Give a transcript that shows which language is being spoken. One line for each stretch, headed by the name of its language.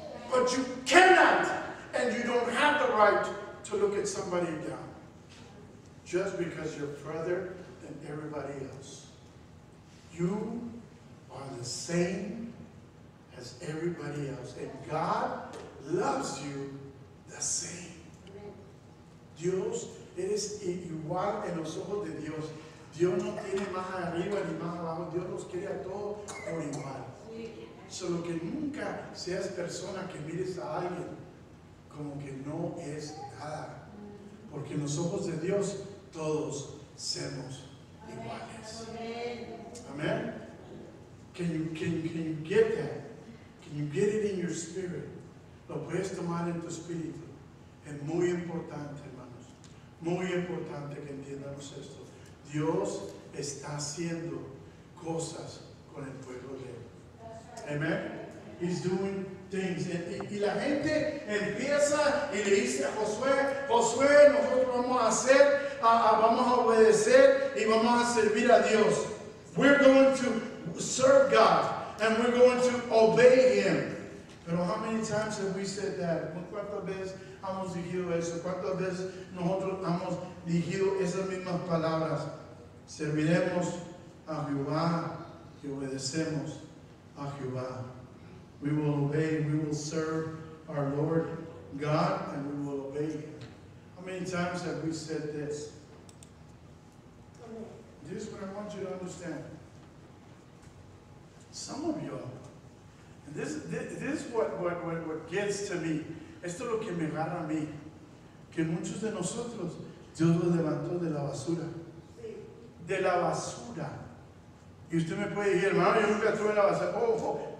English: But you cannot, and you don't have the right to look at somebody down just because you're further than everybody else. You are the same as everybody else, and God loves you the same.
Spanish: Dios eres igual en los ojos de Dios. Dios no tiene más arriba ni más abajo. Dios los quiere a todos por igual. Solo que nunca seas persona que mires a alguien como que no es nada. Porque en los ojos de Dios todos somos iguales.
English: Amén. Can you get that? Can you get it in your spirit?
Spanish: Lo puedes tomar en tu espíritu. Es muy importante, hermanos. Muy importante que entiendamos esto. Dios está haciendo cosas con el pueblo de Él. Amen.
English: He's doing things.
Spanish: Y la gente empieza y le dice a Josué, Josué, nosotros vamos a hacer, vamos a obedecer y vamos a servir a Dios.
English: We're going to serve God and we're going to obey Him.
Spanish: Pero
English: how many times have we said that?
Spanish: ¿Cuántas veces hemos dicho eso? ¿Cuántas veces nosotros hemos dicho esas mismas palabras? Serviremos a Jehová y obedecemos.
English: We will obey, we will serve our Lord God, and we will obey Him. How many times have we said this? This is what I want you to understand. Some of y'all, and this is what gets to me.
Spanish: Esto es lo que me agarra a mí. Que muchos de nosotros, Dios lo levantó de la basura. De la basura. Y usted me puede decir, hermano, yo nunca estuve en la basura.